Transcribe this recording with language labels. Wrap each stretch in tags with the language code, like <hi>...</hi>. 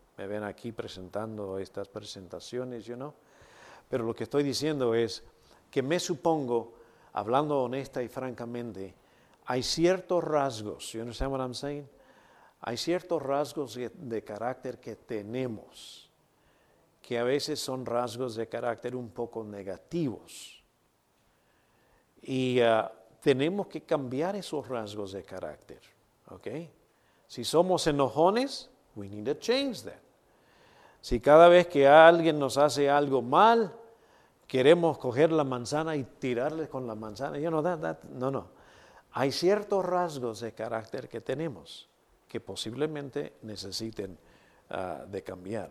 <es>Me ven aquí presentando estas presentaciones,</es> <en>you know.</en> <es>Pero lo que estoy diciendo es que me supongo, hablando honesta y francamente, hay ciertos rasgos,</es> <en>you understand what I'm saying?</en> <es>Hay ciertos rasgos de carácter que tenemos, que a veces son rasgos de carácter un poco negativos. Y tenemos que cambiar esos rasgos de carácter, ¿ok? Si somos enojones,</es> <en>we need to change that.</en> <es>Si cada vez que alguien nos hace algo mal, queremos coger la manzana y tirarle con la manzana, no. Hay ciertos rasgos de carácter que tenemos que posiblemente necesiten de cambiar.</es>